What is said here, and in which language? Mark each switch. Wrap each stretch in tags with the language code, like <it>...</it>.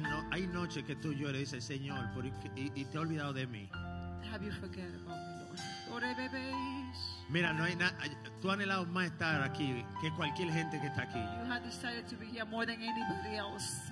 <es>Hay noches que tú lloras y dices, Señor, y te he olvidado de mí.</es> <en>Have you forgotten about me, Lord?</en> <es>Mira, no hay nada. Tú has anhelado más estar aquí que cualquier gente que está aquí.</es> <en>You have decided to be here more than anybody else.</en>